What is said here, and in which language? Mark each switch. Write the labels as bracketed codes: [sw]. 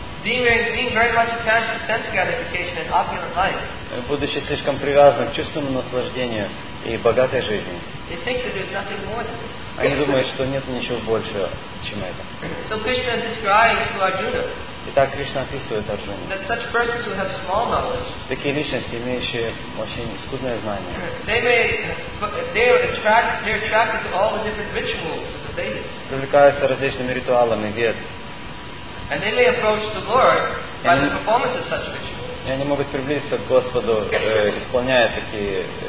[en] Being very much attached to sense gratification and opulent life. [ru] Будучи слишком привязанным к чувственному наслаждению и богатой жизни. [en] They think that there's nothing more than this. [ru] Они думают, что нет ничего больше, чем это. [en] So Krishna describes to Arjuna. [ru] Итак, Кришна описывает Арджуну. [en] That such persons who have small knowledge. [ru] Такие личности, имеющие очень скудное знание. [en] They're attracted to all the different rituals of the Vedas. [ru] Привлекаются различными ритуалами вед. [en] And they may approach the Lord by the performance of such rituals. [ru] И они могут приблизиться к Господу, исполняя такие